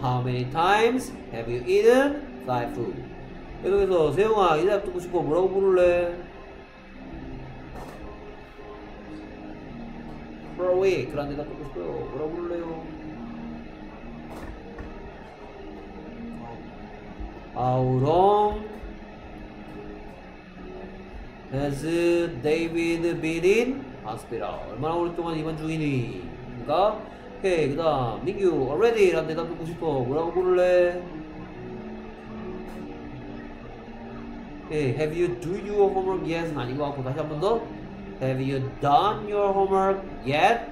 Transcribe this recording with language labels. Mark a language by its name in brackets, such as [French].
[English] How many times have you eaten Thai food? [Korean] 계속해서 세영아 이 대답 듣고 싶어 뭐라고 부를래? For a week 그런 대답 듣고 싶어요 뭐라고 부를래요? [English] 아, How long has David been in hospital? [Korean] 얼마나 오랫동안 입원 중이니? 그러니까 오케이 그 다음 민규 already 라는 대답 듣고 싶어 뭐라고 부를래? [English] Hey, have you do your homework yet? [Korean] 아닌 것 같고 다시 한 번 더 [English] Have you done your homework yet?